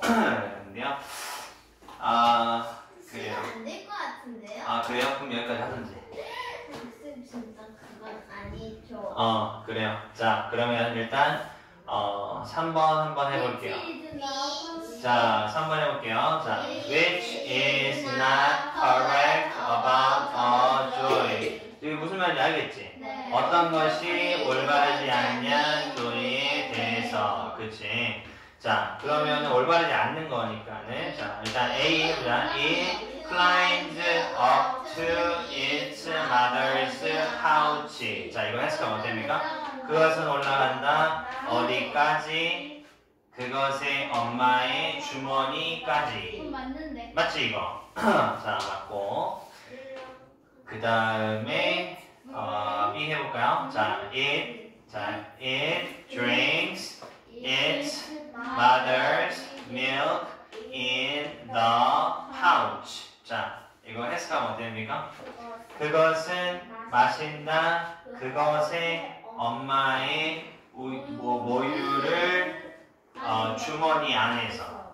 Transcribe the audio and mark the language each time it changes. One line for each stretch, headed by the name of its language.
Korean: 근데요. 아, 그래요. 시간 안 될 것 같은데요? 아, 그래요? 그럼 여기까지 하든지. 학생 진짜 그건 아니죠. 그래요. 자, 그러면 일단 3번 한번 해볼게요.
English: Which
Korean: 자, 3번 해볼게요.
English: 자, Which is not correct about a joy?
Korean: 이게 무슨 말인지 알겠지? 네. 어떤 것이 올바르지 않냐는 조이에 대해서. 그치? 자, 그러면 올바르지 않는 거니까는. 자, 일단 A, 일단
English: It climbs up to its mother's couch.
Korean: 자, 이거 해석하면 어땠습니까? 그것은 올라간다. 어디까지? 그것의 엄마의 주머니까지. 맞는데. 맞지, 이거? 자, 맞고. 그 다음에 B 해볼까요?
English: 자, it drinks its mother's milk in the pouch.
Korean: 자, 이거 해석하면 어땠습니까? 그것은 마신다. 그것의 엄마의 모유를 주머니 안에서.